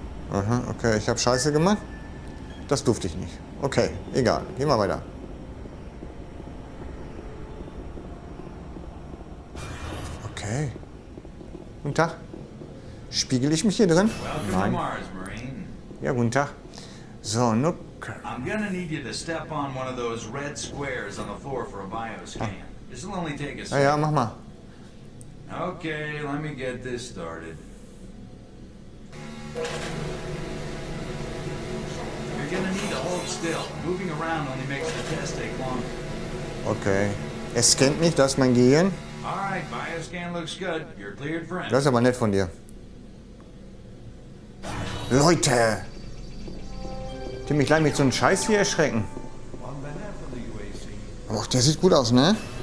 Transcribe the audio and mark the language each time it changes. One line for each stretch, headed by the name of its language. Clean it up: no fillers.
German: Aha, okay, ich habe Scheiße gemacht. Das durfte ich nicht. Okay, egal. Geh mal weiter. Okay. Guten Tag. Spiegel ich mich hier drin? Nein. Ja, guten Tag. So, nook.
English: I'm gonna need you to step on one of those red squares on the floor for a bioscan. Ah.
German: Ja, ja, mach mal.
English: Okay, let me get this started. You're gonna need to hold still. Moving around only makes the test take longer. Okay.
German: Er scannt mich, das ist mein Gehirn.
English: Alright, bioscan looks good. You're cleared for entry.
German: Das ist aber nett von dir. Leute! Tim, ich lass mich so einen Scheiß hier erschrecken. Boah, der sieht gut aus, ne?